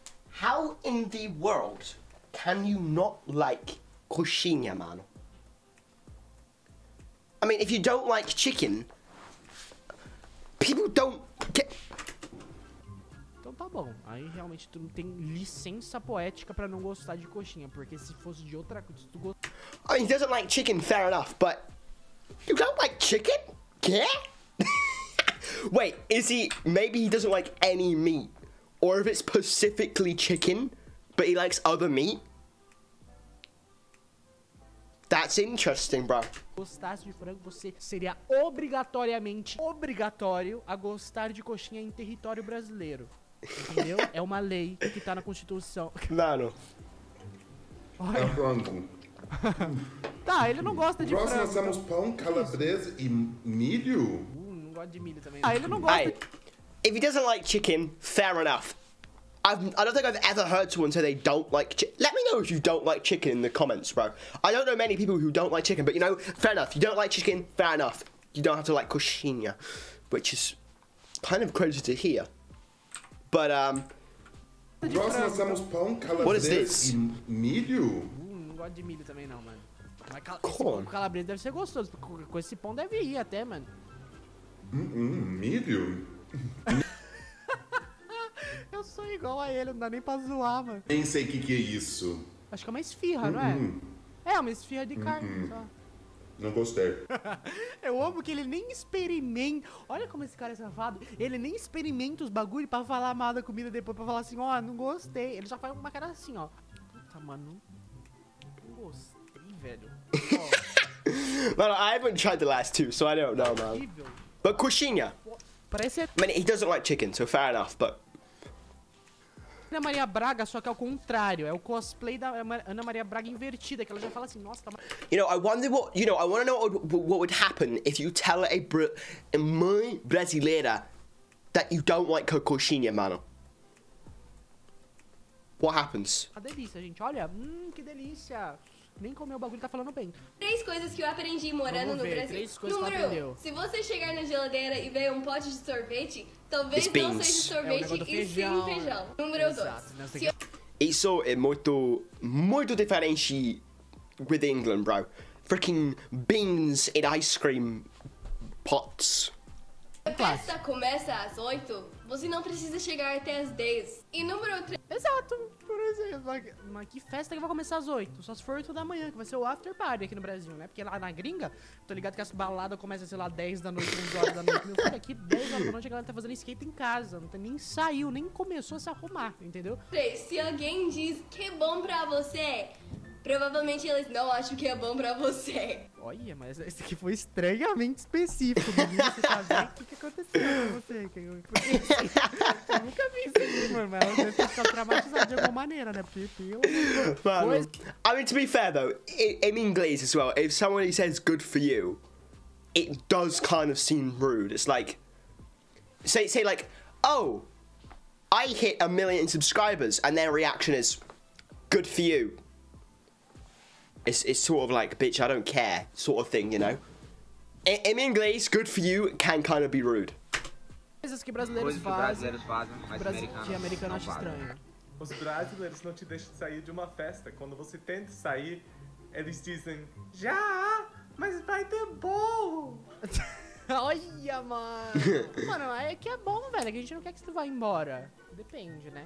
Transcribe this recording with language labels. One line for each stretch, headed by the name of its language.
English: How in the world can you not like coxinha, mano? I mean, if you don't like chicken, people don't get...
Portuguese: Tá bom, aí realmente tu não tem licença poética pra não gostar de coxinha, porque se fosse de outra coisa, tu gostaria.
English: I mean, he doesn't like chicken, fair enough, but... You don't like chicken? Quê? Wait, is he... Maybe he doesn't like any meat. Or if it's specifically chicken, but he likes other meat? That's interesting, bro.
Portuguese: Se gostasse de frango, você seria obrigatório a gostar de coxinha em território brasileiro. Entendeu? É uma lei que tá na Constituição. Mano. Olha. É frango. Tá, ele não gosta de Próximo frango. Nós temos pão, calabresa e milho? Não gosta de milho também. Ah, ele não gosta. Aye.
English: If he doesn't like chicken, fair enough. I don't think I've ever heard someone say they don't like chicken. Let me know if you don't like chicken in the comments, bro. I don't know many people who don't like chicken, but you know, fair enough. You don't like chicken, fair enough. You don't have to like coxinha, which is kind of crazy to hear. But, what is this?
Portuguese: Milho? Não gosto de milho também, não, mano. Mas
English: corn.
Portuguese: Calabresa deve ser gostoso, porque com esse pão deve ir até, mano. Milho? Eu sou igual a ele, não dá nem pra zoar, mano. Nem sei o que, que é isso. Acho que é uma esfirra, não é? É, uma esfirra de carne, só. Não gostei. Eu amo que ele nem experimenta. Olha como esse cara é safado. Ele nem experimenta os bagulho pra falar mal da comida depois, pra falar assim, ó, não gostei. Ele já faz uma cara assim, ó. Puta, mano. Não gostei, velho. Ó.
English: Well, I haven't tried the last two, so I don't know, man. But coxinha.
Portuguese: Parece...
English: I mean, he doesn't like chicken, so fair enough, but...
Portuguese: Ana Maria Braga, só que ao contrário. É o cosplay da Ana Maria Braga invertida, que ela já fala assim, nossa, tá...
English: You know, I wonder what... You know, I want to know what would happen if you tell a mãe brasileira that you don't like her coxinha, mano. What happens?
Portuguese: Uma delícia, gente. Olha, que delícia. Nem comeu o bagulho, tá falando bem. Três coisas que eu aprendi morando no Brasil. Número um, se você chegar na geladeira e ver um pote de sorvete, talvez não seja sorvete e sim feijão. Número dois. Isso é muito, muito diferente
English: with England, bro. Freaking beans and ice cream pots.
Portuguese: A festa começa às 8, você não precisa chegar até às 10. E número 3... Exato, por exemplo, mas que festa que vai começar às 8? Só se for 8 da manhã, que vai ser o after party aqui no Brasil, né? Porque lá na gringa, tô ligado que as baladas começam, sei lá, 10 da noite, 11 horas da noite. Meu filho, aqui 10 horas da noite a galera tá fazendo skate em casa, não tá, nem saiu, nem começou a se arrumar, entendeu? Se alguém diz que é bom pra você, provavelmente eles não acham que é bom pra você. Olha, mas esse aqui foi estranhamente específico, menino. Você sabe o que aconteceu com você? Porque, eu nunca vi isso aqui, mano. Mas ela deve ficar traumatizada de alguma maneira, né? Porque eu... Mano, pois...
English: I mean, to be fair, though, in English as well, if somebody says good for you, it does kind of seem rude. It's like, say like, oh, I hit a million subscribers and their reaction is good for you. It's sort of like, bitch, I don't care, sort of thing, you know? In English, good for you can kind of be rude.
Portuguese: Coisas que brasileiros fazem, mas americanos acham estranho. Os brasileiros não te deixam sair de uma festa. Quando você tenta sair, eles dizem, já, mas vai ter bolo. Olha, mano. Mano, é que é bom, velho, que a gente não quer que você vá embora. Depende, né?